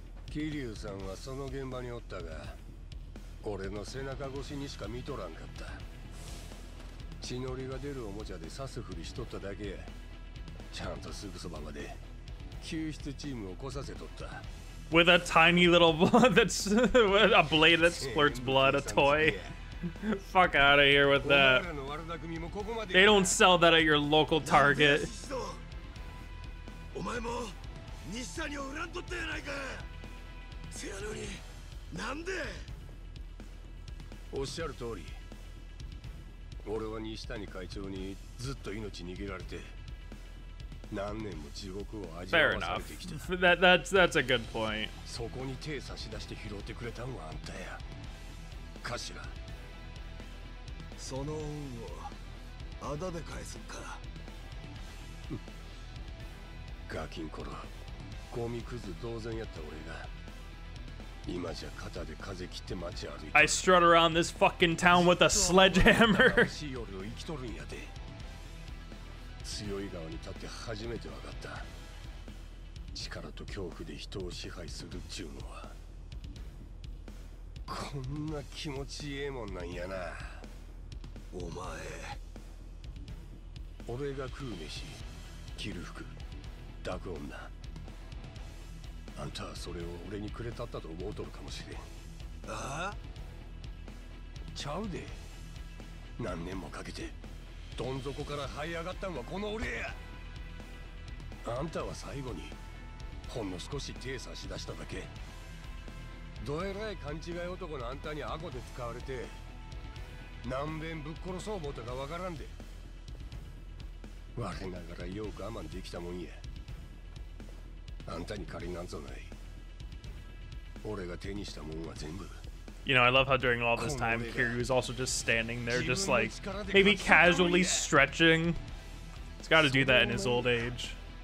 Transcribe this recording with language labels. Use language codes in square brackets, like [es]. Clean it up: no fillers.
[ja] キリュウさんはその現場におったが、俺の背中越しにしか見とらんかった。血のりが出るおもちゃで刺すふりしとっただけ。ちゃんとすぐそばまで救出チームを来させとった。 [en] With a tiny little blood that's a blade that splurts blood, a toy. Fuck out of here with that. They don't sell that at your local Target. [ja] お前も西谷を恨んどったやないか。せやのに、なんで？おっしゃる通り。俺は西谷会長にずっと命握られて何年も地獄を味わわされてきた。 [en] Fair enough. That's a good point. [ja] そこに手差し出して拾ってくれたんはあんたや。頭。その恩をあだで返すか。ガキン頃、ゴミクズ同然やった俺が。今じゃ肩で風切って街歩いて。 [en] I strut around this fucking town with a sledgehammer. [ja] 新しい夜を生きとるんやで。強い側に立って初めてわかった。力と恐怖で人を支配するっちゅうのは、こんな気持ちいいもんなんやな。お前、俺が食う飯、着る服、抱く女。あんたはそれを俺にくれたったと思うとるかもしれん。ああ？ちゃうで。何年もかけてどん底から這い上がったんはこの俺や。あんたは最後にほんの少し手差し出しただけ。どえらい勘違い男のあんたにアコで使われて何遍ぶっ殺そう思ったかわからんで。我ながらよう我慢できたもんや。あんたに借りなんぞない。俺が手にしたもんは全部。 [en] You know, I love how during all this time, Kiryu is also just standing there, just like, maybe casually stretching. He's got to do that in his old age.